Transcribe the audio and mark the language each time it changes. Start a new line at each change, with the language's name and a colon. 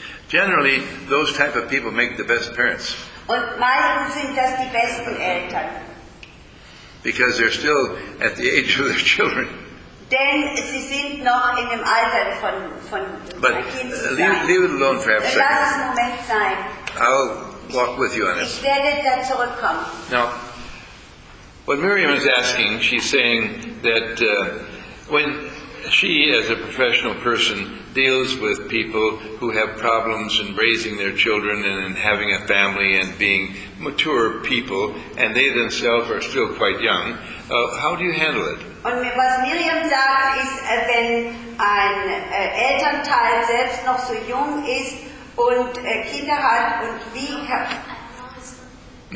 English: Generally, those type of people make the best parents.
German: Und meistens sind das die besten Eltern.
English: Because they're still at the age of their children.
German: Denn sie sind noch in dem Alter von
English: but leave it alone for half a second.
German: Lass es Moment sein.
English: I'll walk with you on it.
German: Ich werde da zurückkommen.
English: Now, what Miriam is asking, she's saying that when she, as a professional person, deals with people who have problems in raising their children and in having a family and being mature people, and they themselves are still quite young, how do you handle it?
German: Und was Miriam sagt, ist, wenn ein Elternteil selbst noch so jung ist und Kinder hat und wie...